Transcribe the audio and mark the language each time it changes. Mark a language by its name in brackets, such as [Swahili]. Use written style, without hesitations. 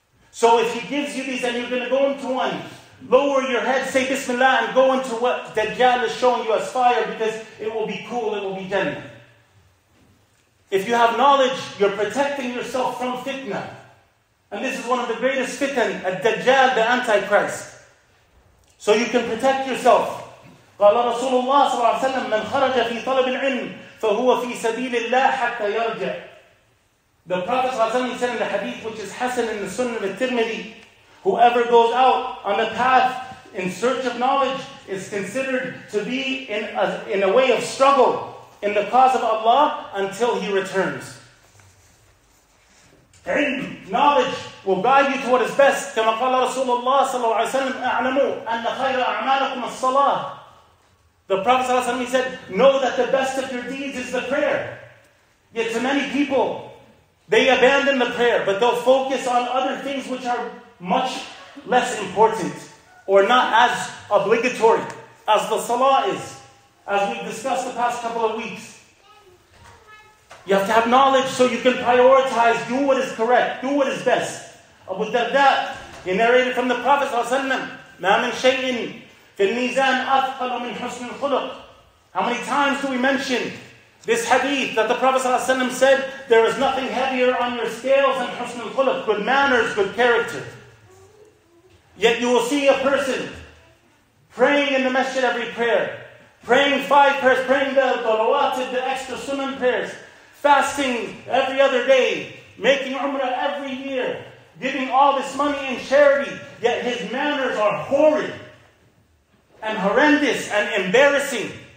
[English] So if he gives you these and you're going to go into one, lower your head, say Bismillah, and go into what Dajjal is showing you as fire, because it will be cool, it will be Jannah. If you have knowledge, you're protecting yourself from fitna. And this is one of the greatest fitan, Ad-Dajjal, the Antichrist. So you can protect yourself. [Arabic] قال رسول الله صلى الله عليه وسلم من خرج في طلب العلم فهو في سبيل الله حتى يرجع. [English] The Prophet ﷺ said in the hadith, which is Hassan in the Sunan of Tirmidhi, whoever goes out on the path in search of knowledge is considered to be in a way of struggle in the cause of Allah until he returns. علم, knowledge will guide you to what is best. كما قال رسول الله صلى الله عليه وسلم أعلموا أن خير أعمالكم الصلاة. The Prophet ﷺ, he said, know that the best of your deeds is the prayer. Yet to many people, they abandon the prayer, but they'll focus on other things which are much less important or not as obligatory as the salah is, as we've discussed the past couple of weeks. You have to have knowledge so you can prioritize, do what is correct, do what is best. Abu Darda, he narrated from the Prophet [Arabic] ﷺ, مَا مِنْ شَيْءٍ فِي الْمِيزَانِ أَثْقَلُ مِنْ حُسْنِ الْخُلُقِ. [English] How many times do we mention this hadith that the Prophet ﷺ said, there is nothing heavier on your scales than husn al-khuluq, good manners, good character. Yet you will see a person praying in the masjid every prayer, praying five prayers, praying the dalawatib, the extra sunan prayers, fasting every other day, making umrah every year, giving all this money in charity, yet his manners are horrid and horrendous and embarrassing.